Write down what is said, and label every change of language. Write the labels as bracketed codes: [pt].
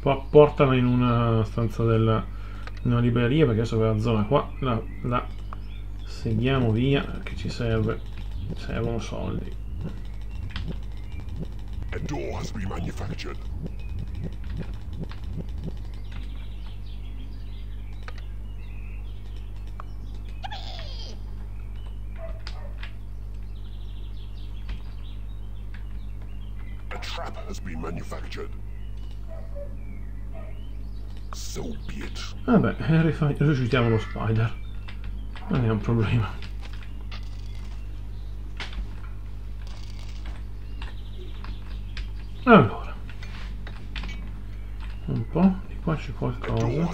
[it] Portala in una stanza della in una libreria, perché adesso quella zona qua la seguiamo via, che ci serve. Ci servono soldi. [en] A door has been manufactured. A trap has been manufactured. So be it. [it] Vabbè, rifiutiamo lo spider. Non è un problema. Allora, un po' di qua c'è qualcosa.